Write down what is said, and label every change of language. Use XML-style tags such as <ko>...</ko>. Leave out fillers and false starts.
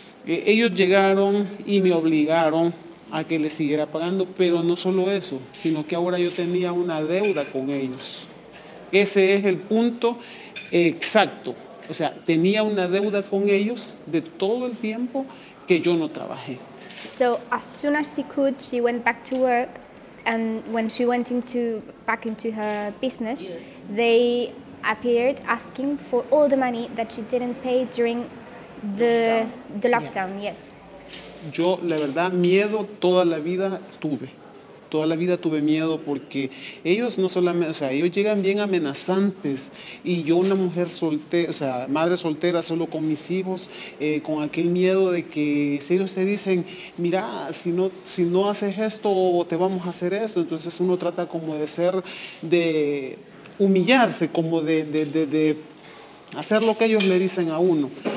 <es>Ellos llegaron y me obligaron a que les siguiera pagando, pero no solo eso, sino que ahora yo tenía una deuda con ellos. Ese es el punto exacto. O sea, tenía una deuda con ellos de todo el tiempo que yo no trabajé.</es> <en>So as soon as she could, she went back to work, and when she went back into her business, they appeared asking for all the money that she didn't pay during the lockdown. Yeah. Yes.</en> <es>Yo, la verdad, miedo toda la vida tuve. Toda la vida tuve miedo porque ellos no solamente, o sea, ellos llegan bien amenazantes y yo una mujer soltera, o sea, madre soltera solo con mis hijos, con aquel miedo de que si ellos te dicen, mira, si no haces esto te vamos a hacer esto, entonces uno trata como de ser, de humillarse, como de hacer lo que ellos le dicen a uno.</es>